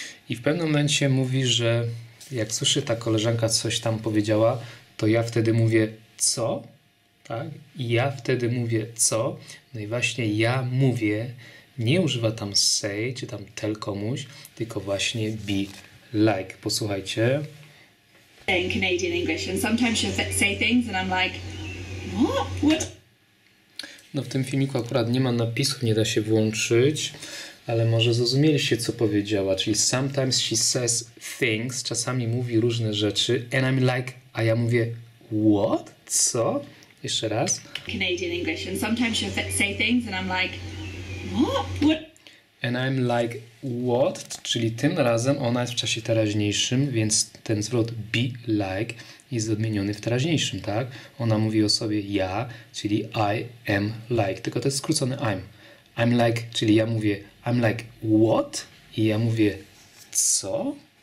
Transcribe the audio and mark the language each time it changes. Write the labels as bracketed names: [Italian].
[Polish] I w pewnym momencie mówi, że jak słyszy ta koleżanka coś tam powiedziała, to ja wtedy mówię co? Tak? I ja wtedy mówię co? No i właśnie ja mówię, nie używa tam say, czy tam tell komuś, tylko właśnie be like. Posłuchajcie. [English] In Canadian English and sometimes she'll say things and I'm like, what? [Polish] No w tym filmiku akurat nie ma napisów, nie da się włączyć, ale może zrozumieliście, co powiedziała. Czyli [English] sometimes she says things, [Polish] czasami mówi różne rzeczy, [English] and I'm like, [Polish] a ja mówię, [English] what? [Polish] Co? Jeszcze raz. [English] Canadian English, and sometimes she say things, and I'm like, what? And I'm like, what? [Polish] Czyli tym razem ona jest w czasie teraźniejszym, więc ten zwrot be like jest odmieniony w teraźniejszym, tak? Ona mówi o sobie ja, czyli [English] I am like, [Polish] tylko to jest skrócone I'm. I'm like, czyli ja mówię, [English] I'm like what? [Polish] I ja mówię, co?